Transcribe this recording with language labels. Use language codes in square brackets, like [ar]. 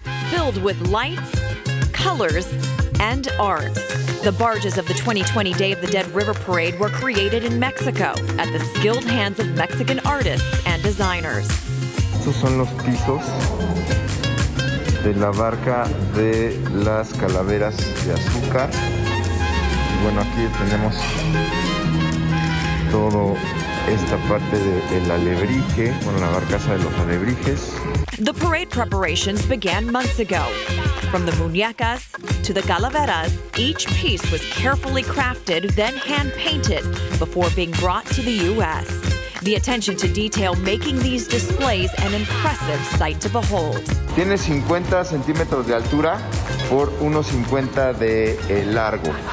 [en] Filled with lights, colors, and art. The barges of the 2020 Day of the Dead River Parade were created in Mexico at the skilled hands of Mexican artists and designers. [es] Estos son los pisos de la barca de las calaveras de azúcar. Y bueno, aquí tenemos todo esta parte del alebrije, bueno, la barcaza de los alebrijes. [en] The parade preparations began months ago. From the muñecas to the calaveras, each piece was carefully crafted, then hand-painted, before being brought to the U.S. The attention to detail making these displays an impressive sight to behold. [es] Tiene 50 centímetros de altura por 1.50 de largo.